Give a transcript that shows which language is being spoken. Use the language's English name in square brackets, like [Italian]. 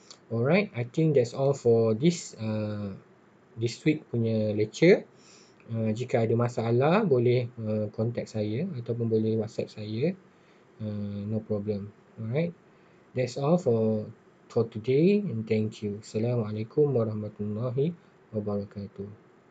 [English] Alright, I think that's all for this this week punya lecture. [Malay] Jika ada masalah, boleh contact saya ataupun boleh WhatsApp saya. [English] No problem. Alright, that's all for today and thank you. [Arabic] Assalamualaikum warahmatullahi wabarakatuh.